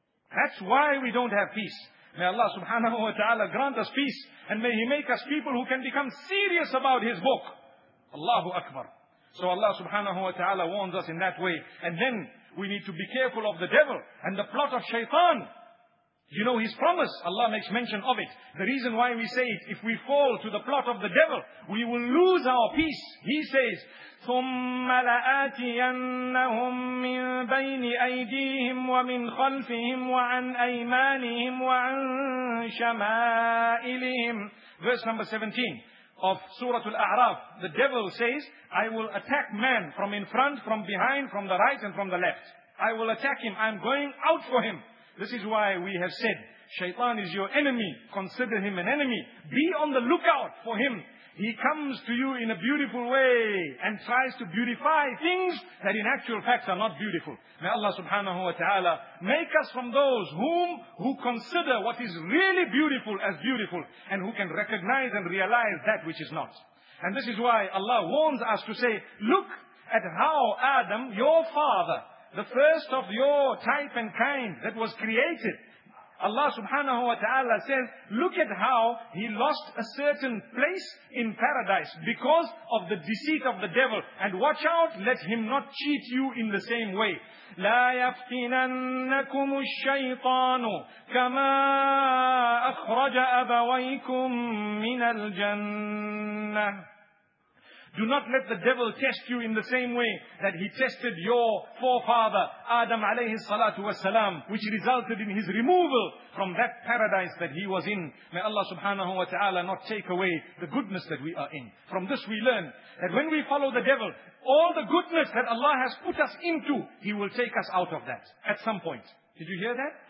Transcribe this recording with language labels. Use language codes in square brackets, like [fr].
[en] That's why we don't have peace. May Allah subhanahu wa ta'ala grant us peace, and may He make us people who can become serious about His book. Allahu Akbar. So Allah subhanahu wa ta'ala warns us in that way. And then we need to be careful of the devil and the plot of shaitan. You know his promise, Allah makes mention of it. The reason why we say it, if we fall to the plot of the devil, we will lose our peace. He says, [ar] ثُمَّ لَآتِيَنَّهُمْ مِنْ بَيْنِ أَيْدِيهِمْ وَمِنْ خَلْفِهِمْ وَعَنْ أَيْمَانِهِمْ وَعَنْ شَمَائِلِهِمْ. [en] Verse number 17 of Surah Al-A'raf. The devil says, I will attack man from in front, from behind, from the right and from the left. I will attack him. I'm going out for him. This is why we have said, Shaitan is your enemy. Consider him an enemy. Be on the lookout for him. He comes to you in a beautiful way and tries to beautify things that in actual facts are not beautiful. May Allah subhanahu wa ta'ala make us from those who consider what is really beautiful as beautiful and who can recognize and realize that which is not. And this is why Allah warns us to say, look at how Adam, your father, the first of your type and kind that was created, Allah subhanahu wa ta'ala says, look at how he lost a certain place in paradise because of the deceit of the devil. And watch out, let him not cheat you in the same way. [ar] لا يفتننكم الشيطان كما أخرج أبويكم من الجنة. [en] Do not let the devil test you in the same way that he tested your forefather, Adam alayhi salatu wasalam, which resulted in his removal from that paradise that he was in. May Allah subhanahu wa ta'ala not take away the goodness that we are in. From this we learn that when we follow the devil, all the goodness that Allah has put us into, he will take us out of that at some point. Did you hear that?